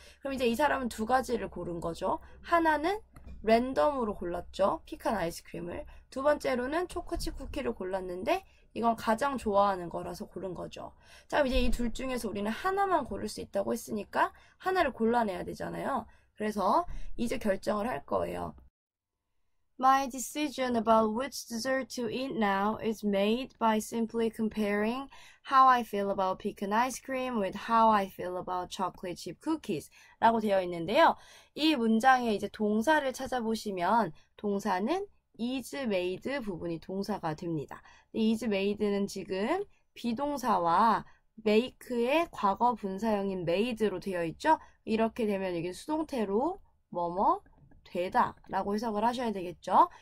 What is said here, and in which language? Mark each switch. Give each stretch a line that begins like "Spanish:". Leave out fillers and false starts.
Korean: 그럼 이제 이 사람은 두 가지를 고른 거죠. 하나는 랜덤으로 골랐죠. 피칸 아이스크림을. 두 번째로는 초코 칩 쿠키를 골랐는데 이건 가장 좋아하는 거라서 고른 거죠. 자, 이제 이둘 중에서 우리는 하나만 고를 수 있다고 했으니까 하나를 골라내야 되잖아요. 그래서 이제 결정을 할 거예요.
English: My decision about which dessert to eat now is made by simply comparing how I feel about pecan ice cream with how I feel about chocolate chip cookies
Korean: 라고 되어 있는데요. 이 문장에 이제 동사를 찾아보시면 동사는 is made 부분이 동사가 됩니다. is made는 지금 비동사와 make의 과거 분사형인 made로 되어 있죠. 이렇게 되면 이게 수동태로 뭐뭐 되다 라고 해석을 하셔야 되겠죠.